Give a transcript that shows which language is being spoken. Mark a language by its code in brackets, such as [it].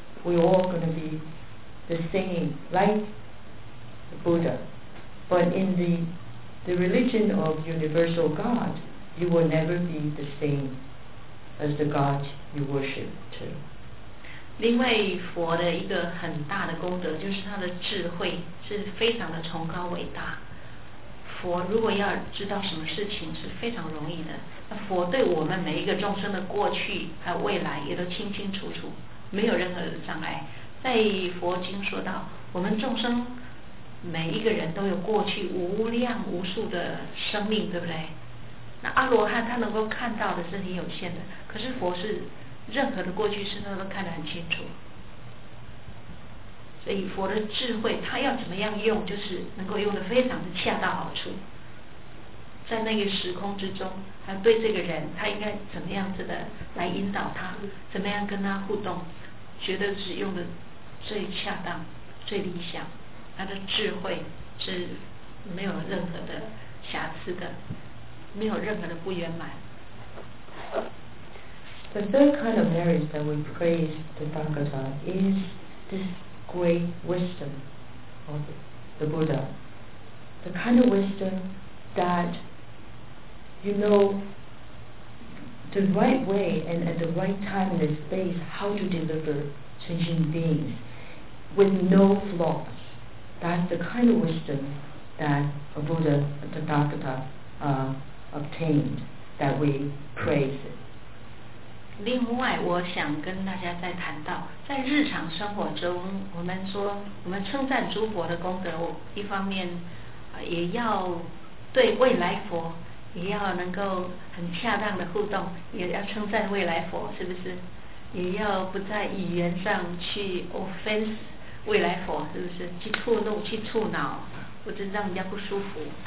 [en] We all going to be the same, like the Buddha. But in the religion of universal God, you will never be the same as the God you worship to. [zh] 另外佛的一个很大的功德就是他的智慧是非常的崇高伟大。佛如果要知道什么事情是非常容易的，那佛对我们每一个众生的过去还有未来也都清清楚楚，没有任何的障碍。在佛经说到，我们众生每一个人都有过去无量无数的生命，对不对？那阿罗汉他能够看到的是很有限的，可是佛是任何的过去生他都看得很清楚。所以佛的智慧他要怎么样用，就是能够用得非常的恰到好处，在那个时空之中，还对这个人他应该怎么样子的来引导他，怎么样跟他互动，觉得是用的最恰当最理想，他的智慧是没有任何的瑕疵的，没有任何的不圆满。 [en] The third kind of merit that we praise the Dhammapada is this great wisdom of the Buddha. The kind of wisdom that you know the right way and at the right time and space how to deliver sentient beings with no flaws. That's the kind of wisdom that a Buddha, the Dhammapada, obtained that we praise it. [zh] 另外我想跟大家再谈到在日常生活中我们说我们称赞诸佛的功德一方面也要对未来佛也要能够很恰当的互动也要称赞未来佛是不是也要不在语言上去 offense 未来佛是不是去触怒去触恼或者让人家不舒服